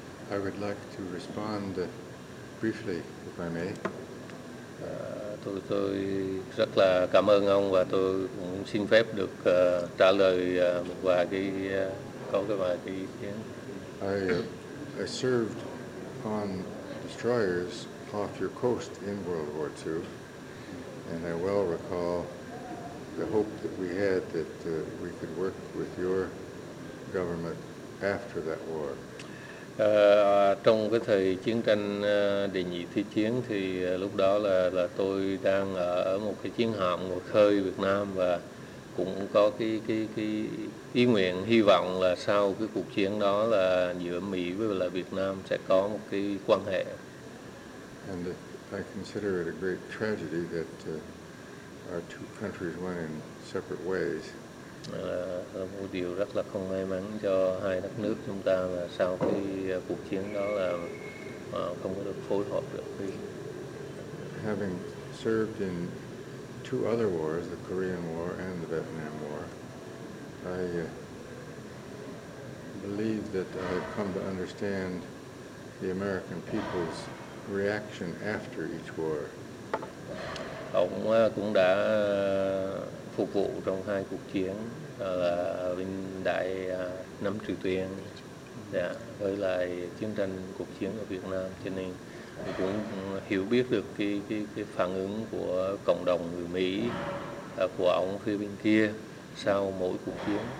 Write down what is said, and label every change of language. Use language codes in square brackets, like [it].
[en] I would like to respond briefly, if I may. [vi] Tôi rất là cảm ơn ông và tôi cũng xin phép được trả lời một vài cái. [en] I served on destroyers off your coast in World War II, and I well recall the hope that we had that we could work with your government after that war. [vi] Trong cái thời chiến tranh đệ nhị thế chiến thì lúc đó là tôi đang ở một cái chiến hạm ngoài khơi Việt Nam và cũng có cái ý nguyện hy vọng là sau cái cuộc chiến đó là giữa Mỹ với lại Việt Nam sẽ có một cái quan hệ. [en] And I consider it a great tragedy that our two countries went in separate ways. [vi] Là một điều rất là không may mắn cho hai đất nước chúng ta là sau cái cuộc chiến đó là không có được phối hợp được. [en] Having served in two other wars, the Korean War and the Vietnam War, I believe that I've come to understand the American people's reaction after each war. [vi] Ông cũng đã phục vụ trong hai cuộc chiến là bên đại Nam Triều Tiên, với lại chiến tranh cuộc chiến ở Việt Nam, cho nên cũng hiểu biết được cái phản ứng của cộng đồng người Mỹ, của ông phía bên kia sau mỗi cuộc chiến.